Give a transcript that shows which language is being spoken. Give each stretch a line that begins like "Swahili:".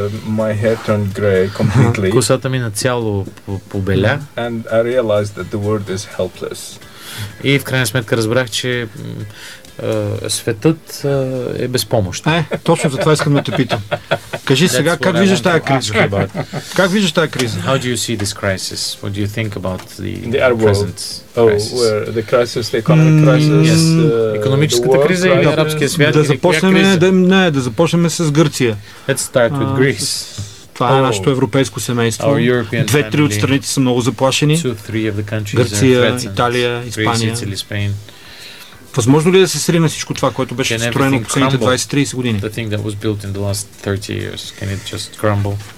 English: My hair turned grey completely.
Bulgarian: Косата ми нацяло побеля.
English: And I realized that the world is helpless.
Bulgarian: И в крайна сметка разбрах, че светът е безпомощен. Точно за това искам да те питам. Кажи сега, как виждаш тая криза? Как виждаш тая криза?
English: How do you see this crisis? What do you think about the present crisis?
Bulgarian: Економическата криза или арабския свят? Да започнем, да започнем с Гърция.
English: Let's start with Greece.
Bulgarian: Това е нашето европейско семейство. 2-3 от страните са много заплашени. Гърция, Италия, Испания. Възможно ли да се срине всичко това, което беше построено последните 20-30 години?
English: The thing that was built in the last 30 years, can it just crumble?